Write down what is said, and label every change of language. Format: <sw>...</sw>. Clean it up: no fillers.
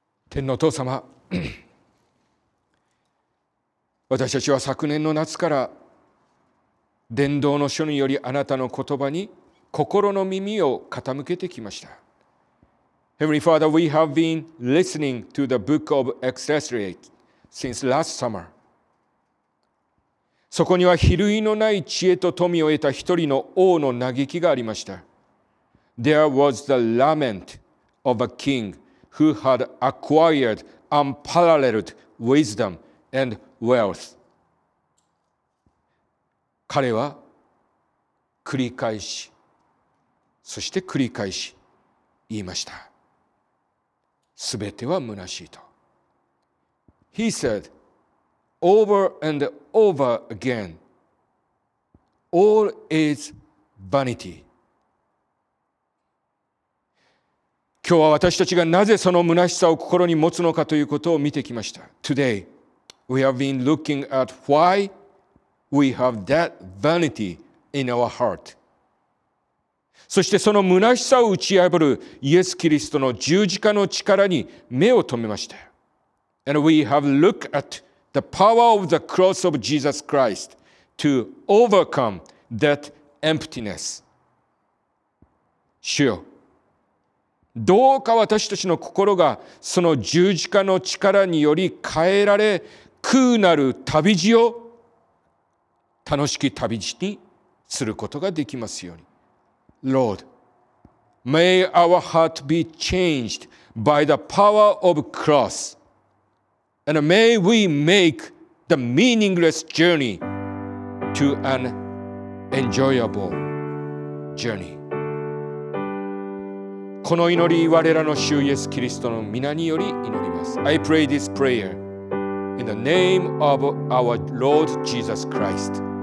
<ja>天のお父様、私たちは昨年の夏から伝道の書によりあなたの言葉に心の耳を傾けてきました。</ja> <en>Heavenly Father, we have been listening to the book of Ecclesiastes since last summer.</en> <ja>そこには比類のない知恵と富を得た一人の王の嘆きがありました。</ja> <en>There was the lament of a king. Who had acquired unparalleled wisdom and wealth.</en> <ja>彼は繰り返し、そして繰り返し言いました。すべては虚しいと。</ja> <en>He said over and over again, all is vanity.</en> <ja>今日は私たちがなぜその虚しさを心に持つのかということを見てきました。</ja> <en>Today, we have been looking at why we have that vanity in our heart.</en> <ja>そしてその虚しさを打ち破るイエス・キリストの十字架の力に目を留めました。</ja> <en>And we have looked at the power of the cross of Jesus Christ to overcome that emptiness.</en> <ja>主よ、どうか私たちの心がその十字架の力により変えられ、空なる旅路を楽しき旅路にすることができますように。</ja> <en>Lord, may our heart be changed by the power of cross and may we make the meaningless journey to an enjoyable journey.</en> <ja>この祈り、我らの主イエス・キリストの御名により祈ります。</ja> <en>I pray this prayer in the name of our Lord Jesus Christ.</en>